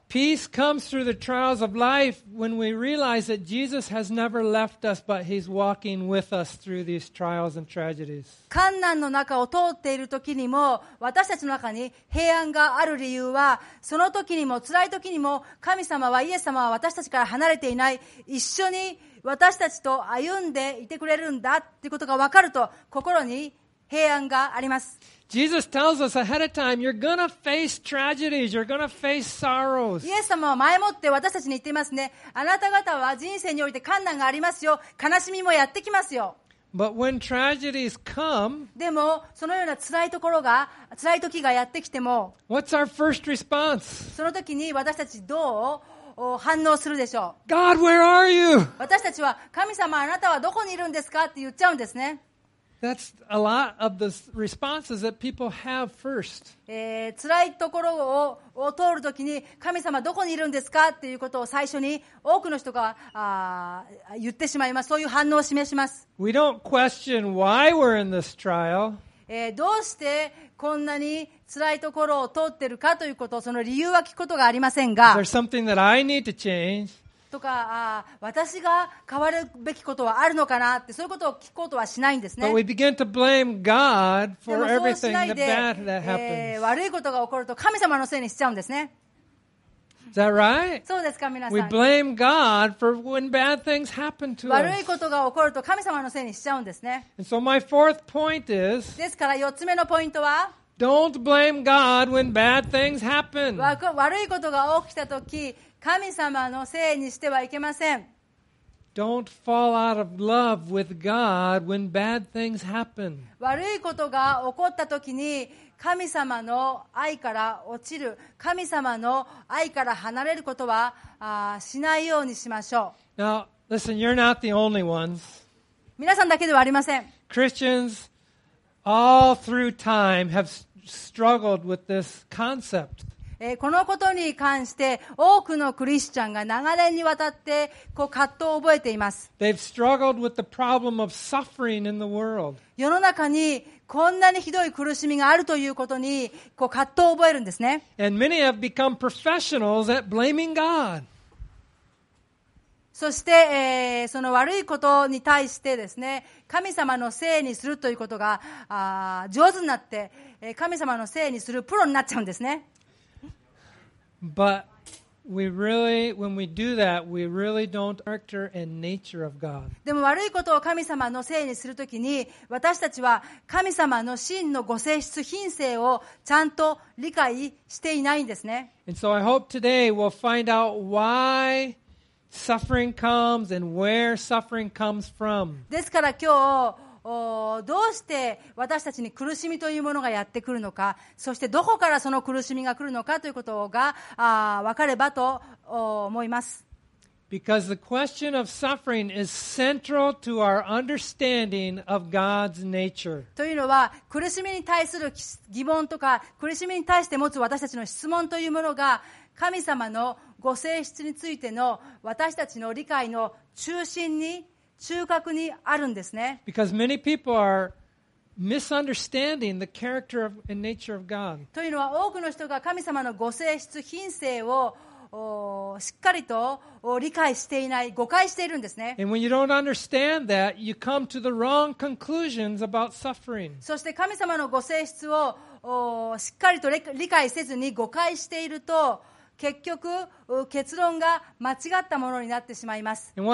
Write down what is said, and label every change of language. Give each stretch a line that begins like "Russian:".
English: Peace comes through the trials of life when we realize that Jesus has never left us, but he's walking with us through these trials and tragedies.
Japanese: 困難の中を通っている時にも、私たちの中に平安がある理由は、その時にも辛い時にも神様は、イエス様は私たちから離れていない、一緒に私たちと歩んでいてくれるんだということが分かると心に平安があります。
English: Jesus tells us ahead of time, you're gonna face tragedies, you're gonna face sorrows.
Japanese: イエス様は前もって私たちに言っていますね。あなた方は人生において困難がありますよ。悲しみもやってきますよ。
English: But when tragedies come,
Japanese: でもそのような辛い時がやってきても、
English: What's our first response?
Japanese: その時に私たちどう反応するでしょう。
English: God, where are you?
Japanese: 私たちは神様あなたはどこにいるんですかって言っちゃうんですね。
English: That's a lot of the responses that people have first.
Japanese: 辛いところを通るときに、神様どこにいるんですかっていうことを最初に多くの人が言ってしまいます。そういう反応を示します。
English: We don't question why we're in this trial.
Japanese: どうしてこんなに辛いところを通ってるかということを、その理由は聞くことがありませんが。
English: There's something that I need to change.
Japanese: とか私が変わるべきことはあるのかなって、そういうことを聞こうとはしないんですね。
English: But we begin to blame God for everything the bad that happens.
Japanese: 悪いことが起こると神様のせいにしちゃうんですね。
English: Is that right?
Japanese: そうですか、皆さん。
English: We blame God for when bad things happen to us.
Japanese: 悪いことが起こると神様のせいにしちゃうんですね。
English: And so my fourth point is,
Japanese: ですから4つ目のポイントは、
English: Don't blame God when bad things happen.
Japanese: 悪いことが起きたとき、神様のせいにしてはいけません。
English: Don't fall out of love with God when bad things happen.
Japanese: 悪いことが起こったときに、神様の愛から落ちる、神様の愛から離れることはしないようにしましょう。
English: Now, listen, you're not the only ones.
Japanese: 皆さんだけではありません。
English: Christians all through time have struggled with this concept.
Japanese: このことに関して多くのクリスチャンが長年にわたってこう葛藤を覚えています。
English: They've struggled with the problem of suffering in the world.
Japanese: 世の中にこんなにひどい苦しみがあるということにこう葛藤を覚えるんですね。
English: And many have become professionals at blaming God.
Japanese: そして、その悪いことに対してですね、神様のせいにするということが上手になって、神様のせいにするプロになっちゃうんですね。
English: But We really, when we do that, we really don't character and nature of God.
Japanese: でも悪いことを神様のせいにするときに、私たちは神様の真のご性質、品性をちゃんと理解していないんですね。
English: And so I hope today we'll find out why suffering comes and where suffering comes from.
Japanese: ですから今日、どうして私たちに苦しみというものがやってくるのか、そしてどこからその苦しみが来るのかということが分かればと思います。
English: Because the question of suffering is central to our understanding of God's nature.
Japanese: というのは、苦しみに対する疑問とか、苦しみに対して持つ私たちの質問というものが、神様のご性質についての私たちの理解の中心に中核にあるんですね。
English: Because many people are misunderstanding the character of and nature of God.
Japanese: というのは多くの人が神様のご性質、品性をしっかりと理解していない、誤解しているんですね。
English: And when you don't understand that, you come to the wrong conclusions about suffering.
Japanese: そして神様のご性質をしっかりと理解せずに誤解していると、結局結論が間違ったものになってしまいます。